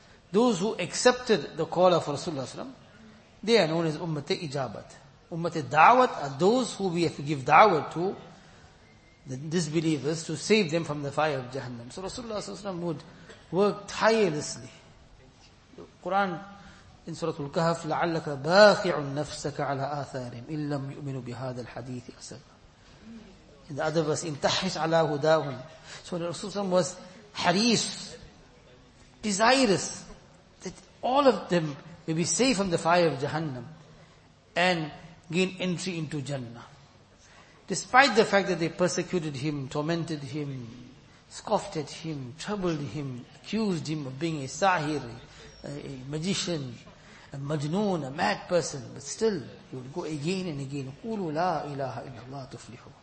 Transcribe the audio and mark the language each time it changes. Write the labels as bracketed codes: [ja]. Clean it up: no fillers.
[en] Those who accepted the call of Rasulullah sallallahu alayhi wasallam, they are known as ummat-e-ijabat. Ummat-e-da'wat are those who we have to give da'wah to, the disbelievers, to save them from the fire of Jahannam. So Rasulullah ﷺ would work tirelessly. The Quran in Surah Al-Kahf, [ar] لَعَلَّكَ بَاخِعٌ نَفْسَكَ عَلَىٰ آثَارِهِمْ إِن لَمْ يُؤْمِنُ بِهَذَا الْحَدِيثِ أَسَلًا. [en] In the other verse, [ar] إِن تَحْرِسْ عَلَىٰ هُدَاهُمْ. [en] So Rasulullah ﷺ was harish, desirous that all of them may be saved from the fire of Jahannam and gain entry into Jannah. Despite the fact that they persecuted him, tormented him, scoffed at him, troubled him, accused him of being a sahir, a magician, a majnoon, a mad person, but still he would go again and again, [ar] قُولُوا لَا إِلَهَ إِلَّا اللَّهَ تُفْلِحُ.